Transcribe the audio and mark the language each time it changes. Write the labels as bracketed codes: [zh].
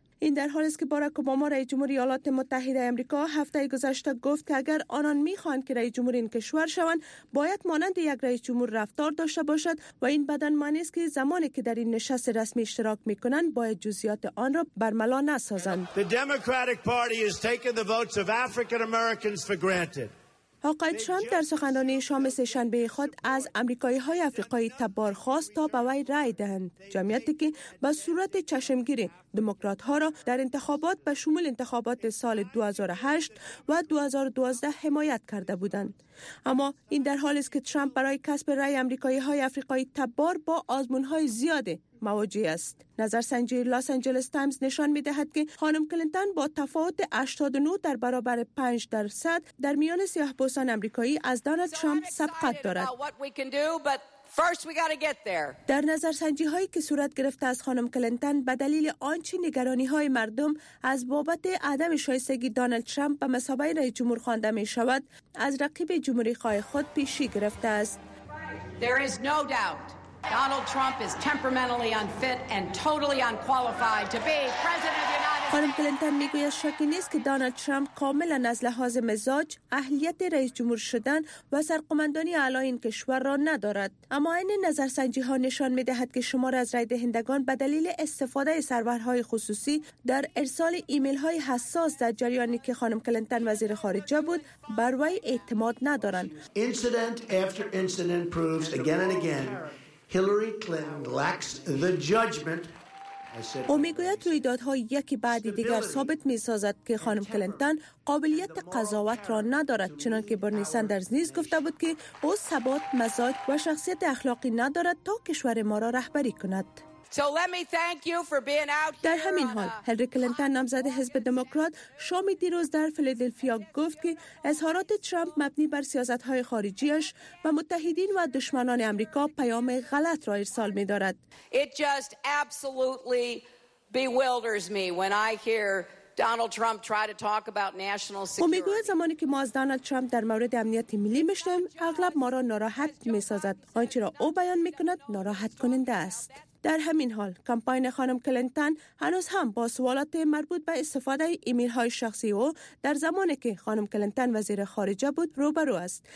[fa] این در حالی است که باراک اوباما رئیس جمهور ایالات متحده آمریکا هفته گذشته گفت که اگر آنان می‌خواهند که رئیس جمهور این کشور شوند، باید مانند یک رئیس جمهور رفتار داشته باشد و این بدان معنی است که زمانی که در این نشست رسمی اشتراک می‌کنند، باید جزئیات آن را برملا نسازند. [en] The Democratic Party has taken the votes of African Americans for granted. [fa] آقای ترامپ در سخنرانی شام سه‌شنبه خود از آمریکایی‌های آفریقایی تبار خواست تا به وی رأی دهند، جمعیتی که به صورت چشمگیری دموکرات‌ها را در انتخابات به شمول انتخابات سال 2008 و 2012 حمایت کرده بودند. اما این در حالی است که ترامپ برای کسب رأی آمریکایی‌های آفریقایی تبار با آزمون‌های زیاده مواجه است. نظرسنجی لاس آنجلس تایمز نشان می‌دهد که خانم کلینتون با تفاوت 89 در برابر 5% در میان سیاه‌پوستان آمریکایی از دونالد ترامپ سبقت دارد. در نظرسنجی هایی که صورت گرفته از خانم کلینتون به دلیل آنچه نگرانی های مردم از بابت عدم شایستگی دونالد ترامپ به مثابه رئیس جمهور خوانده می شود، از رقیب جمهوری خواه خود پیشی گرفته است. [en] Donald Trump is temperamentally unfit and totally unqualified to be president of the United States. [fa] خانم کلینتون میگوید شکی نیست که دونالد ترامپ کاملا از لحاظ مزاج اهلیت رئیس جمهور شدن و سرقماندانی اعلی این کشور را ندارد. اما این نظرسنجی ها نشان میدهد که شمار از رای دهندگان به دلیل استفاده سرورهای خصوصی در ارسال ایمیل های حساس در جریانی که خانم کلینتون وزیر خارجه بود بر وی اعتماد ندارند. [en] Incident after incident proves again and again Hillary Clinton lacks the judgment. [fa] او میگوید رویدادها یکی بعد دیگر ثابت می‌سازد که خانم کلینتون قابلیت قضاوت را ندارد، چنان که برنی سندرز نیز گفته بود که او ثبات مزاج و شخصیت اخلاقی ندارد تا کشور ما را رهبری کند. [en] So let me thank you for being out here. [fa] در همین حال هیلری کلینتون نامزد حزب دموکرات شام دیروز در فیلادلفیا گفت که اظهارات ترامپ مبنی بر سیاست‌های خارجی‌اش و متحدین و دشمنان آمریکا پیام غلط را ارسال می‌دارد. [en] It just absolutely bewilders me when I hear Donald Trump try to talk about national security. [fa] او میگوید زمانی که ما از دونالد ترامپ در مورد امنیت ملی می‌شنویم، اغلب ما را ناراحت می‌سازد. آنچه را او بیان می‌کند ناراحت کننده است. در همین حال کمپاین خانم کلینتون هنوز هم با سوالات مربوط به استفاده ایمیل های شخصی او در زمانی که خانم کلینتون وزیر خارجه بود روبرو است.